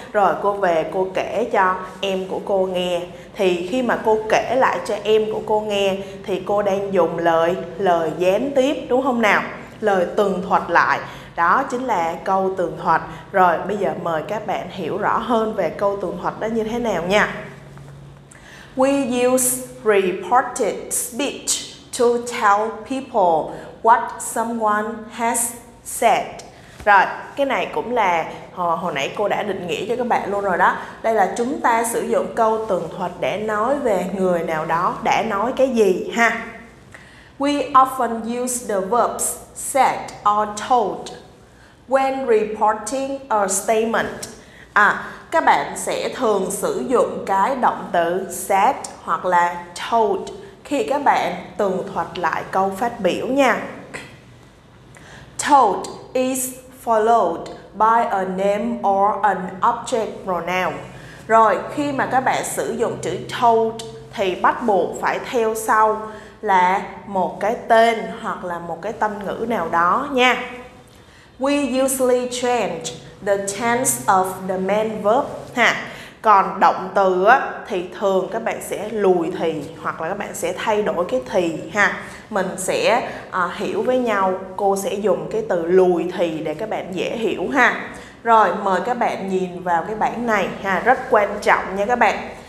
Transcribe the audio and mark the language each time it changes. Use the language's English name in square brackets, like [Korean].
[Vietnamese] Rồi cô về cô kể cho em của cô nghe. Thì khi mà cô kể lại cho em của cô nghe thì cô đang dùng lời gián tiếp đúng không nào? Lời tường thuật lại. Đó chính là câu tường thuật. Rồi bây giờ mời các bạn hiểu rõ hơn về câu tường thuật đó như thế nào nha. [English] We use reported speech to tell people what someone has said. [Vietnamese] Rồi, cái này cũng là hồi nãy cô đã định nghĩa cho các bạn luôn rồi đó. Đây là chúng ta sử dụng câu tường thuật để nói về người nào đó đã nói cái gì ha. [English] We often use the verbs said or told when reporting a statement. [Vietnamese] Các bạn sẽ thường sử dụng cái động từ said hoặc là told khi các bạn tường thuật lại câu phát biểu nha. [English] Told is followed by a name or an object pronoun. [Vietnamese] Rồi, khi mà các bạn sử dụng chữ told thì bắt buộc phải theo sau là một cái tên hoặc là một cái tâm ngữ nào đó nha. [English] We usually change the tense of the main verb ha. [Vietnamese] Còn động từ á, thì thường các bạn sẽ lùi thì hoặc là các bạn sẽ thay đổi cái thì ha. Mình sẽ hiểu với nhau, cô sẽ dùng cái từ lùi thì để các bạn dễ hiểu ha. Rồi, mời các bạn nhìn vào cái bảng này ha, rất quan trọng nha các bạn.